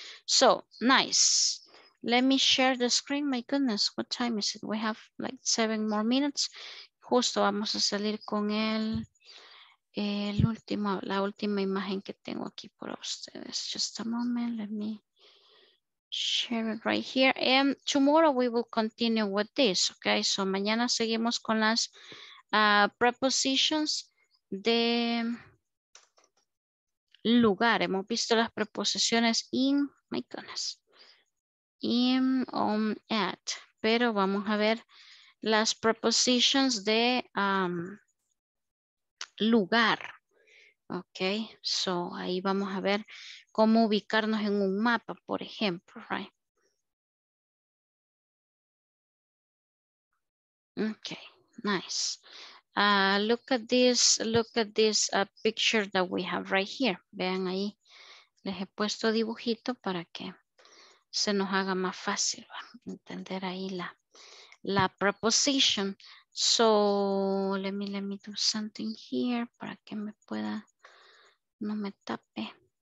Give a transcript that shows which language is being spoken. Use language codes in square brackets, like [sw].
[en] So, nice. Let me share the screen. My goodness, what time is it? We have like 7 more minutes. [es] Justo vamos a salir con la última imagen que tengo aquí por ustedes. [en] Just a moment, let me share it right here. And tomorrow we will continue with this, okay? [es] So, mañana seguimos con las prepositions de lugar. Hemos visto las preposiciones in, my goodness, in, on, at, pero vamos a ver las prepositions de lugar. Ok, so ahí vamos a ver cómo ubicarnos en un mapa, por ejemplo, right? [en] Ok, nice. Look at this picture that we have right here. [es] Vean ahí, les he puesto dibujito para que se nos haga más fácil entender ahí la preposición. [en] So let me do something here [es] para que me pueda, no me tape.